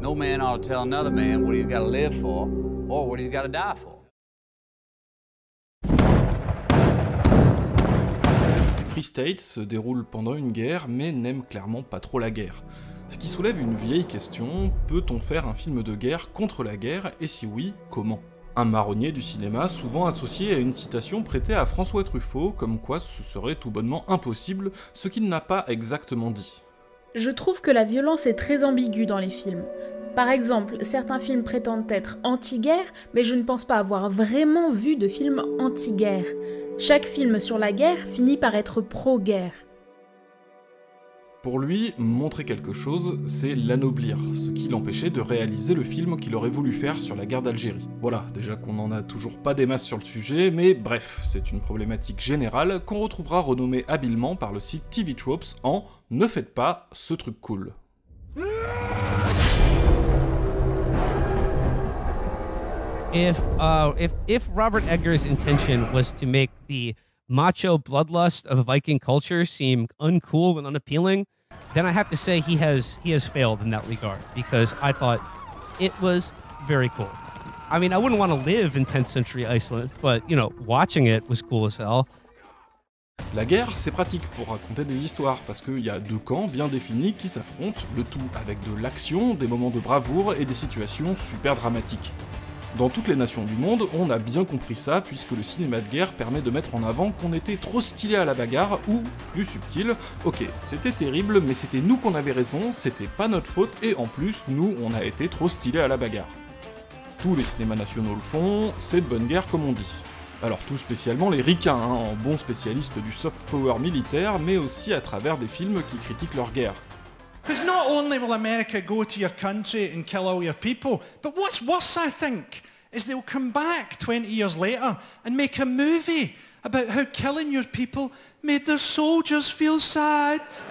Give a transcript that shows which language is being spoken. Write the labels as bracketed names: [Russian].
[English] No man ought to tell another man what he's got to live for or what he's got to die for. [French] Free State se déroule pendant une guerre, mais n'aime clairement pas trop la guerre. Ce qui soulève une vieille question, peut-on faire un film de guerre contre la guerre, et si oui, comment? Un marronnier du cinéma souvent associé à une citation prêtée à François Truffaut, comme quoi ce serait tout bonnement impossible, ce qu'il n'a pas exactement dit. Je trouve que la violence est très ambiguë dans les films. Par exemple, certains films prétendent être anti-guerre, mais je ne pense pas avoir vraiment vu de film anti-guerre. Chaque film sur la guerre finit par être pro-guerre. Pour lui, montrer quelque chose, c'est l'anoblir, ce qui l'empêchait de réaliser le film qu'il aurait voulu faire sur la guerre d'Algérie. Voilà, déjà qu'on n'en a toujours pas des masses sur le sujet, mais bref, c'est une problématique générale qu'on retrouvera renommée habilement par le site TV Tropes en « Ne faites pas ce truc cool ». [English] If Robert Eggers' intention was to make the macho bloodlust of Viking culture seem uncool and unappealing, then I have to say he has failed in that regard, because I thought it was very cool. I mean, I wouldn't want to live in 10th century Iceland, but you know, watching it was cool as hell. [French] La guerre, c'est pratique pour raconter des histoires, parce qu'il y a deux camps bien définis qui s'affrontent, le tout avec de l'action, des moments de bravoure et des situations super dramatiques. Dans toutes les nations du monde, on a bien compris ça, puisque le cinéma de guerre permet de mettre en avant qu'on était trop stylé à la bagarre, ou, plus subtil, ok, c'était terrible, mais c'était nous qu'on avait raison, c'était pas notre faute, et en plus, nous, on a été trop stylé à la bagarre. Tous les cinémas nationaux le font, c'est de bonne guerre comme on dit. Alors tout spécialement les ricains, hein, en bons spécialistes du soft power militaire, mais aussi à travers des films qui critiquent leur guerre. [English] Because not only will America go to your country and kill all your people, but what's worse, I think, is they'll come back 20 years later and make a movie about how killing your people made their soldiers feel sad.